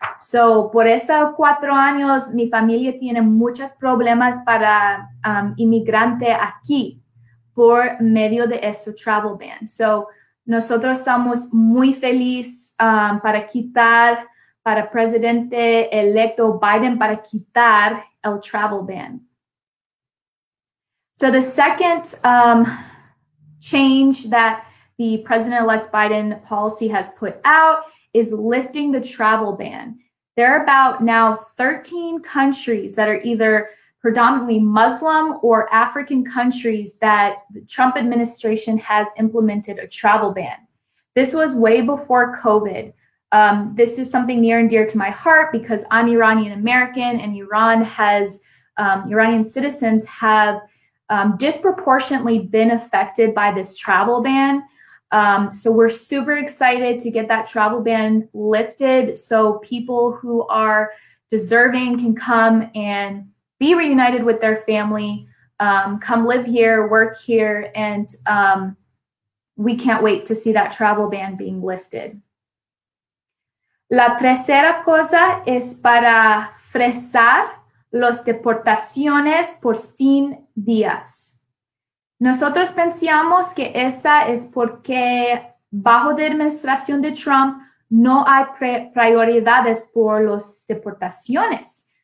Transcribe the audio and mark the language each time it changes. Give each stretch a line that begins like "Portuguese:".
Spanish: So, por esos 4 años, mi familia tiene muchos problemas para inmigrante aquí por medio de ese travel ban. So, nosotros estamos muy felices para quitar, para presidente electo Biden, para quitar el travel ban.
English: So, the second change that the president-elect Biden policy has put out is lifting the travel ban. There are about now 13 countries that are either predominantly Muslim or African countries that the Trump administration has implemented a travel ban. This was way before COVID. This is something near and dear to my heart because I'm Iranian American, and Iranian citizens have disproportionately been affected by this travel ban. So we're super excited to get that travel ban lifted so people who are deserving can come and be reunited with their family, come live here, work here, and we can't wait to see that travel ban being lifted.
Spanish: La tercera cosa es para frenar las deportaciones por 100 días. Nosotros pensamos que esa es porque bajo la administración de Trump no hay prioridades por las deportaciones.